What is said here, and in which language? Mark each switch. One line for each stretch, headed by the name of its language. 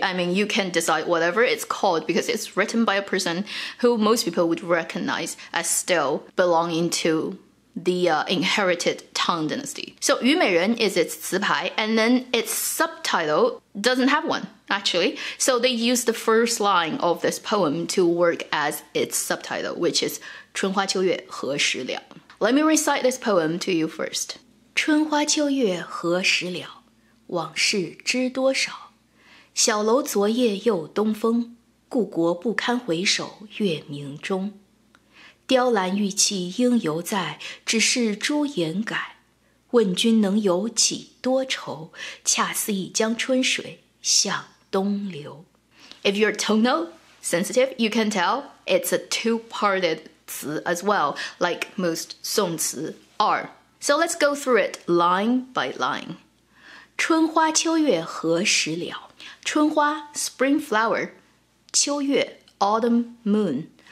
English: I mean, you can decide whatever it's called because it's written by a person who most people would recognize as still belonging to the inherited Tang Dynasty. So Yu Meiren is its 词牌, and then its subtitle doesn't have one, actually. So they use the first line of this poem to work as its subtitle, which is
Chinese: 春花秋月何时了.
English: Let me recite this poem to you first.
Chinese: 春花秋月何时了，往事知多少，小楼昨夜又东风，故国不堪回首月明中。雕栏玉砌应犹在，只是朱颜改。问君能有几多愁，恰似一江春水向东流。
English: If you're tonal sensitive, you can tell it's a two-parted 词 as well, like most 宋词 are. So let's go through it line by line.
Chinese: 春花秋月何时了？
English: 春花 spring flower, 秋月 autumn moon.